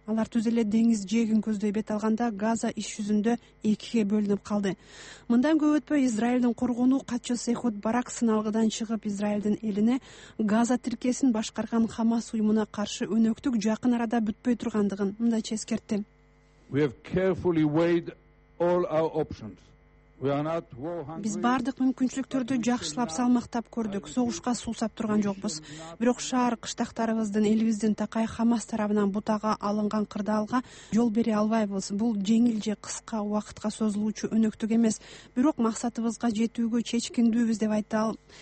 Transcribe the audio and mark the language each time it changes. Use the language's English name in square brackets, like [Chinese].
[Kyrgyz] Алар түз эле деңиз жээгин көздөй бет алганда Газа иш жүзүндө экиге бөлүнүп калды. Мындан көп өтпөй Израилдин коргонуу катчысы Эхуд Барак сыналгыдан чыгып Израилдин элине Газа тиркесин башкарган Хамас уюмуна каршы өнөктүк жакын арада бүтпөй тургандыгын мындайча эскертти. [English] We have carefully weighed all our options. [Kyrgyz] Биз бардык мүмкүнчүлүктөрдү жакшылап салмактап көрдүк. Согушка суусап турган жокпуз. Бирок шаар кыштактарыбыздын, элибиздин такай Хамас тарабынан бутага алынган кырдаалга жол бере албайбыз. Бул жеңил же кыска убакытка созулуучу өнөктүк эмес, бирок максатыбызга жетүүгө чечкиндүүбүз деп айтты ал.